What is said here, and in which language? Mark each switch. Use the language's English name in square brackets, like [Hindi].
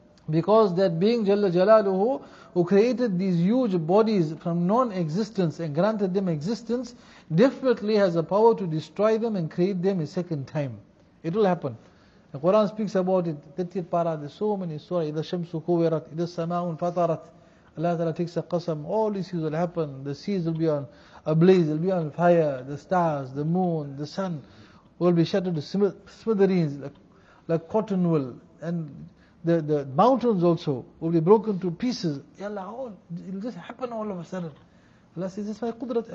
[English] Because that being Jalla Jalaluhu, who created these huge bodies from non-existence and granted them existence, definitely has the power to destroy them and create them a second time. It will happen. The Quran speaks about it. 30th para, there's so many surah. [Arabic] إِذَا الشَّمْسُ كُوِّرَتْ إِذَا السَّمَاءُ فَطَرَتْ. [English] Allah Ta'ala takes a qasam. All these things will happen. The seas will be on ablaze, they'll be on fire, the stars, the moon, the sun will be shattered to smithereens, like cotton wool, and the mountains also will be broken to pieces. Ya Allah, it'll just happen all of a sudden. Allah says, this is my qudrat.